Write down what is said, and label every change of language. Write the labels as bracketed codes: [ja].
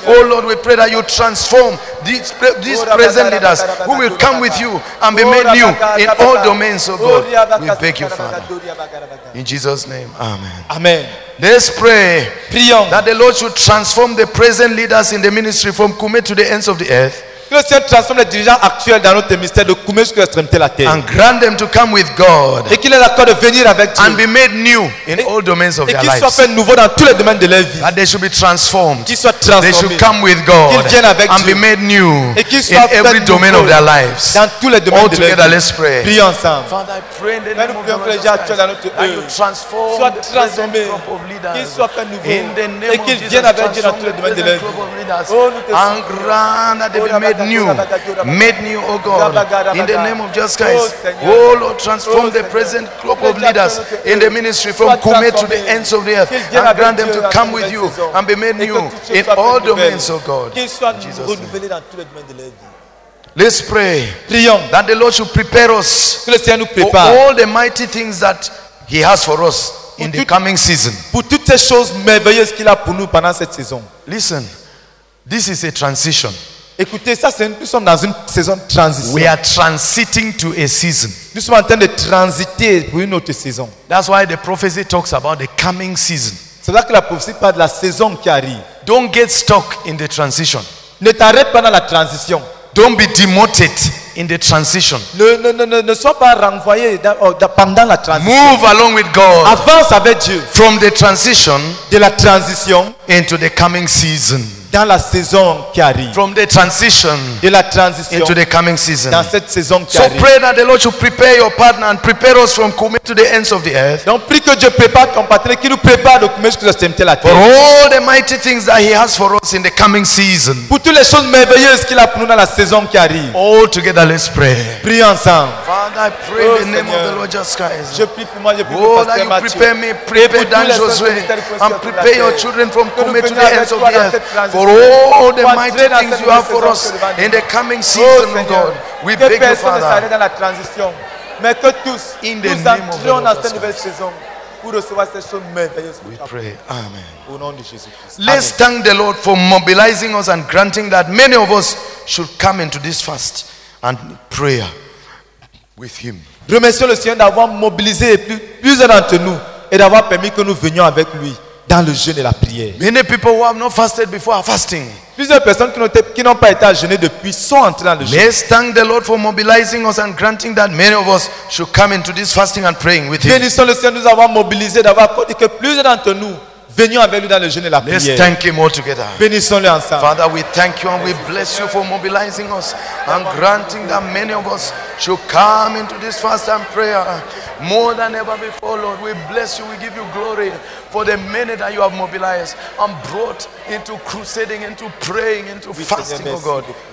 [en] Oh Lord, we pray that you transform these present leaders who will come with you and be made new in all domains, oh God. We beg you, Father. In Jesus' name, amen. Amen. Let's pray [fr] Prions. [en] That the Lord should transform the present leaders in the ministry from Kumé to the ends of the earth. [fr] Que le Seigneur transforme les dirigeants actuels dans notre ministère de Kumé jusqu'à l'extrémité de la terre. [en] And grant them to come with God. [fr] Et qu'il ait l'accord de venir avec Dieu. [en] And be made new in all domains of their lives. [fr] Et qu'ils soient faits nouveaux dans tous les domaines de leur vie. [en] That they should be transformed. [fr] Qu'ils soient transformés. [en] They should come with God. [fr] Qu'ils viennent avec [en] and [fr] Dieu. [en] And be made new. [fr] Et qu'ils soient [en] in every domain of their lives. [fr] Dans tous les domaines [en] all [fr] de leur vie. [en] All together, let's pray. [fr] Prions ensemble. [en] Father, I pray in the name of Jesus Christ. That you transform the present group of leaders. [fr] Qu'ils soient faits nouveaux. [en] In the name [fr] et qu'ils viennent avec Dieu dans tous les domaines de leur vie. [en] And grant that they be made new, oh God, in the name of Jesus Christ. Oh Lord, transform the present group of leaders in the ministry from Kumé to the ends of the earth and grant them to come with you and be made new in all domains, oh God. In Jesus' name. Let's pray Prions. That the Lord should prepare us for all the mighty things that he has for us in the coming season. [fr] Pour toutes ces choses merveilleuses qu'il a pour nous pendant cette saison. [en] Listen, this is a transition. [fr] Écoutez, ça, c'est, nous sommes dans une saison de transition. [en] We are transiting to a season. [fr] Nous sommes en train de transiter pour une autre saison. [en] That's why the prophecy talks about the coming season. [fr] C'est là que la prophétie parle de la saison qui arrive. [en] Don't get stuck in the transition. [fr] Ne t'arrête pas dans la transition. [en] Don't be demoted in the transition. [fr] Ne sois pas renvoyé pendant la transition. [en] Move along with God. [fr] Avance avec Dieu. [en] From the transition, [fr] de la transition, [en] into the coming season. [fr] Dans la saison qui arrive. [en] From the transition, [fr] de la transition, [en] into the coming season. [fr] Dans cette saison qui [en] so [fr] arrive. [en] So pray that the Lord should prepare your partner and prepare us from coming to the ends of the earth. [fr] Donc prie que Dieu prépare ton partenaire qui nous prépare de coming jusqu'aux extrémités de la terre. [en] For all the mighty things that He has for us in the coming season. [fr] Pour toutes les choses merveilleuses qu'il a pour nous dans la saison qui arrive. [en] All together, let's pray. [fr] Prie ensemble. [en] Father, I pray in the name of the Lord Jesus Christ. [fr] Je prie pour moi, je prie pour [en] Pasteur Mathieu. Oh, that You prepare me, prepare Dan Josué, and prepare your children from coming to the ends of the earth. For all the mighty things You have for us in the coming season, oh God, we beg You, Father. [fr] Que personne ne s'arrête dans la transition, mais que tous nous entrions dans cette nouvelle saison pour recevoir ces choses merveilleuses. [en] We pray, Amen. [fr] Au nom de Jésus Christ. [en] Let's thank the Lord for mobilizing us and granting that many of us should come into this fast and prayer with Him. [fr] Remercions le Seigneur d'avoir mobilisé plusieurs d'entre nous et d'avoir permis que nous venions avec Lui. Dans le jeûne et la prière. [en] Many people who have not fasted before are fasting. [fr] Plusieurs personnes qui n'ont pas été à jeûner depuis sont entrées dans le jeûne. [en] Let's thank the Lord for mobilizing us and granting that many of us should come into this fasting and praying with Him. [fr] Bénissons le Seigneur nous avoir mobilisé d'avoir accordé que plusieurs d'entre nous venions avec lui dans le jeûne et la prière. [en] Let's thank Him all together. [fr] Bénissons-le ensemble. [en] Father, we thank You and we bless You for mobilizing us and granting that many of us should come into this fast and prayer more than ever before, Lord. We bless You, we give You glory for the many that You have mobilized and brought into crusading, into praying, into fasting, oh God.